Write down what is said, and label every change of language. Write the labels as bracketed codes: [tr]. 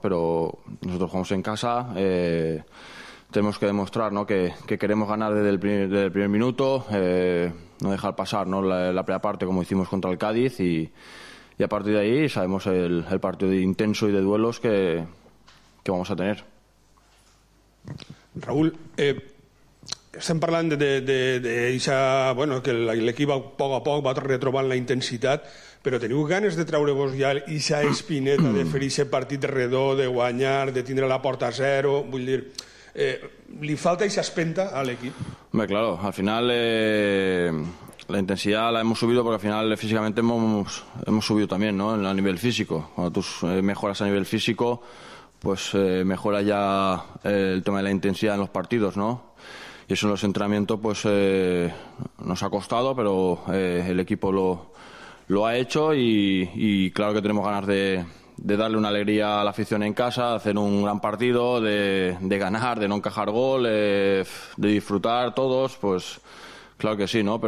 [es] Pero nosotros jugamos en casa, tenemos que demostrar, ¿no? Que queremos ganar desde el primer minuto, no dejar pasar, ¿no? La primera parte como hicimos contra el Cádiz y a partir de ahí sabemos el partido de intenso y de duelos que vamos a tener. [ca] Raúl, estem parlant d'això, bueno, que l'equip a poc va retrobant la intensitat, però teniu ganes de treure-vos ja aquesta espineta de fer aquest partit redó, de guanyar, de tindre la porta a zero? Vull dir, li falta aquesta espenta a l'equip? [es] Bé, claro, al final la intensitat la hemos subido porque al final físicamente hemos subido también, ¿no? A nivel físico. Cuando tú mejoras a nivel físico, pues mejora ya el tema de la intensidad en los partidos, ¿no? Y eso en los entrenamientos pues nos ha costado, pero el equipo lo ha hecho y claro que tenemos ganas de darle una alegría a la afición en casa, de hacer un gran partido, de ganar, de no encajar gol, de disfrutar todos, pues claro que sí, ¿no?